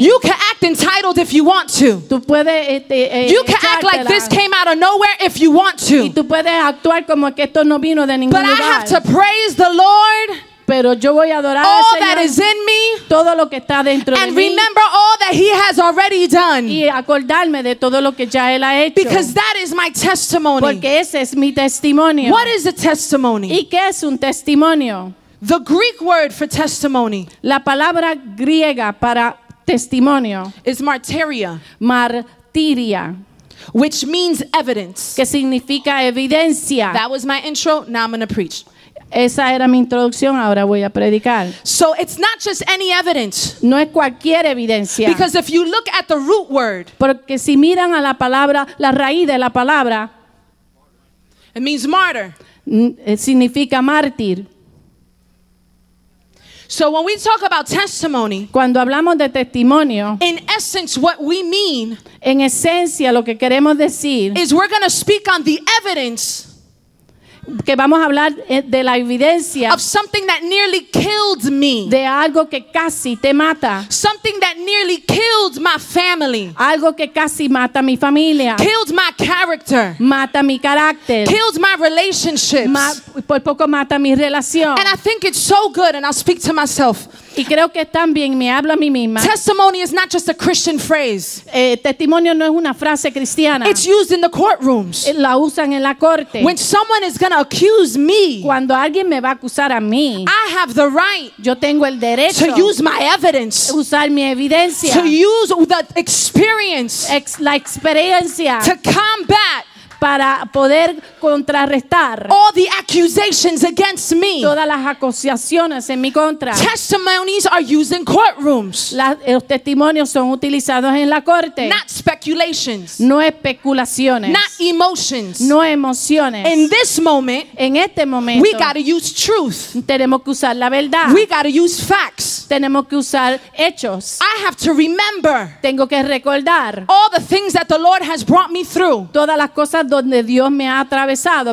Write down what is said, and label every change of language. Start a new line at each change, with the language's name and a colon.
English: You can act entitled if you want to.
Spanish: Tú puedes,
English: you can act like this came out of nowhere if you want to.
Spanish: Y tú puedes actuar como que esto no vino de ningún
English: but
Spanish: lugar.
English: I have to praise the Lord.
Spanish: Pero yo voy a adorar
English: all
Spanish: al Señor,
English: that is in me,
Spanish: todo lo que está dentro
English: and
Spanish: de
English: remember
Spanish: mí,
English: all that He has already done.
Spanish: Y acordarme de todo lo que ya Él ha hecho.
English: Because that is my testimony.
Spanish: Porque ese es mi testimonio.
English: What is a testimony?
Spanish: ¿Y qué es un testimonio?
English: The Greek word for testimony.
Spanish: La palabra griega para testimonio
English: is martyria.
Spanish: Martyria.
English: Which means evidence.
Spanish: Que significa evidencia.
English: That was my intro, now I'm going to preach.
Spanish: Esa era mi introducción, ahora voy a predicar.
English: So it's not just any evidence.
Spanish: No es cualquier evidencia.
English: Because if you look at the root word,
Spanish: porque si miran a la palabra, la raíz de la palabra,
English: it means martyr.
Spanish: Significa mártir.
English: So when we talk about testimony,
Spanish: cuando hablamos de testimonio,
English: in essence what we mean,
Spanish: en esencia lo que queremos decir,
English: is we're going to speak on the evidence,
Spanish: que vamos a hablar de la evidencia,
English: of something that nearly killed me,
Spanish: de algo que casi te mata,
English: something that nearly killed my family,
Spanish: algo que casi mata mi familia,
English: killed my character,
Spanish: mata mi carácter,
English: killed my relationships,
Spanish: por poco mata mi relación.
English: And I think it's so good, and I'll speak to myself.
Spanish: Y creo que también me hablo a mí misma.
English: Testimony is not just a Christian phrase.
Spanish: Testimonio no es una frase cristiana.
English: It's used in the courtrooms.
Spanish: La usan en la corte.
English: When someone is going to accuse me,
Spanish: cuando alguien me va a acusar a mí,
English: I have the right.
Spanish: Yo tengo el derecho.
English: To use my evidence.
Spanish: Usar mi evidencia.
English: To use the experience.
Spanish: La experiencia.
English: To combat.
Spanish: Para poder contrarrestar
English: all the accusations against me.
Spanish: Todas las acusaciones en mi contra.
English: Testimonies are used in courtrooms.
Spanish: Los testimonios son utilizados en la corte.
English: Not speculations.
Spanish: No especulaciones.
English: Not emotions.
Spanish: No emociones.
English: In this moment,
Spanish: en este momento,
English: we gotta use truth.
Spanish: Tenemos que usar la verdad.
English: We gotta use facts.
Spanish: Tenemos que usar hechos.
English: I have to remember.
Spanish: Tengo que recordar
English: all the things that the Lord has brought me through.
Spanish: Todas las cosas donde Dios me ha atravesado,